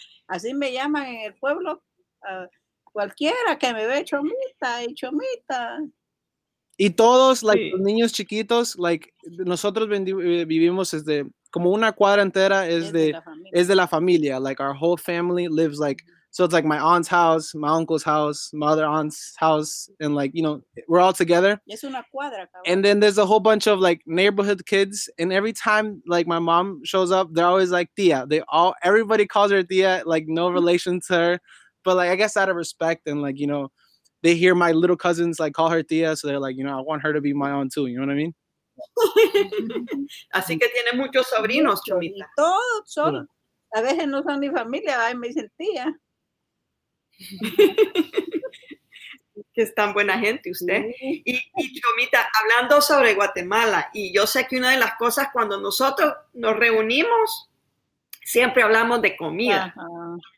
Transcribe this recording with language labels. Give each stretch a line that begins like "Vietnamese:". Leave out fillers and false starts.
Spanish: Así me llaman en el pueblo, cualquiera que me ve Chomita y Chomita. Y todos, like, sí. Los niños chiquitos, like, nosotros vivimos desde, como una cuadra entera es de la familia.
English: Like, our whole family lives, like, so it's like my aunt's house, my uncle's house, my other aunt's house, and like, you know, we're all together.
Spanish: Es una cuadra, cabrón.
English: And then there's a whole bunch of like neighborhood kids, and every time like my mom shows up, they're always like tía. They all, everybody calls her tía, like no relation to her, but like I guess out of respect, and like, you know, they hear my little cousins like call her tía, so they're like, you know, I want her to be my aunt too, you know what I mean?
Spanish: Así que tiene muchos sobrinos, Chomita. Todos son, a veces no son mi familia, ay, me dicen tía. Que es tan buena gente usted. Sí. Y Chomita, hablando sobre Guatemala, y yo sé que una de las cosas cuando nosotros nos reunimos, siempre hablamos de comida. Ajá.